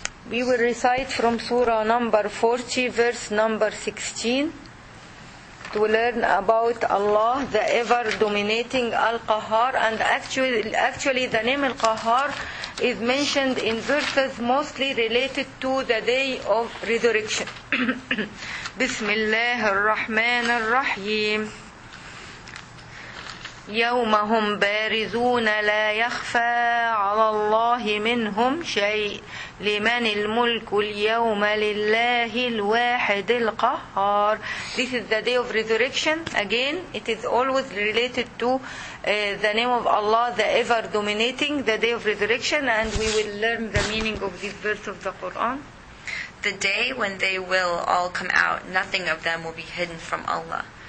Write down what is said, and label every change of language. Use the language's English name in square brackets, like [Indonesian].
[English] We will recite from Surah number 40, verse number 16, to learn about Allah, the ever-dominating Al-Qahhar. And actually, the name Al-Qahhar is mentioned in verses mostly related to the day of resurrection. [Arabic] بسم الله الرحمن الرحيم يوم هم بارزون لا يخفى على الله منهم شيء لمن الملك اليوم لله الواحد القهار. [English] This is the day of resurrection. Again, it is always related to the name of Allah, the ever dominating, the day of resurrection, and we will learn the meaning of this verse of the Quran. The day when they will all come out, nothing of them will be hidden from Allah.